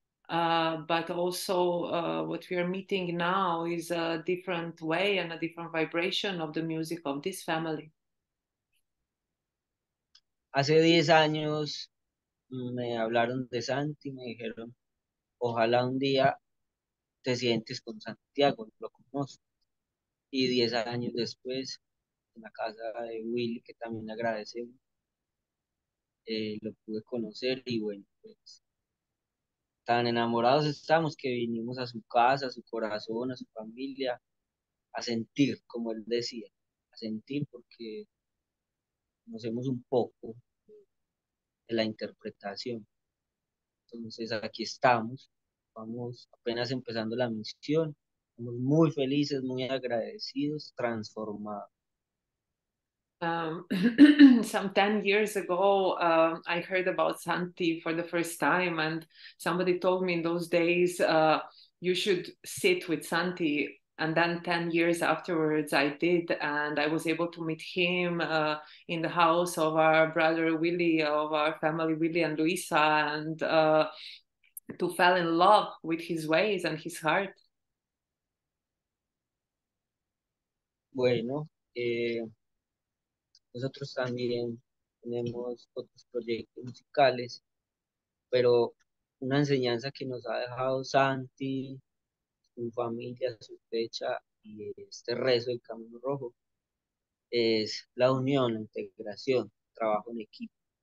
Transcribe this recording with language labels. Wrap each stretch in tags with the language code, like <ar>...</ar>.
<en>But also what we are meeting now is a different way and a different vibration of the music of this family.</en> <es>Hace 10 años me hablaron de Santi, me dijeron, ojalá un día te sientes con Santiago, lo conozcas. Y 10 años después, en la casa de Willy, que también agradecemos, lo pude conocer y bueno, pues tan enamorados estamos que vinimos a su casa, a su corazón, a su familia, a sentir, como él decía, a sentir porque conocemos un poco de la interpretación. Entonces aquí estamos, vamos apenas empezando la misión, estamos muy felices, muy agradecidos, transformados.</es> <en>Some 10 years ago, I heard about Santi for the first time, and somebody told me in those days, you should sit with Santi. And then 10 years afterwards, I did, and I was able to meet him in the house of our brother Willie, of our family Willie and Luisa, and to fall in love with his ways and his heart.</en> <es>Bueno, nosotros también tenemos otros proyectos musicales, pero una enseñanza que nos ha dejado Santi, su familia, su fecha y este rezo del Camino Rojo es la unión, la integración, el trabajo en equipo.</es>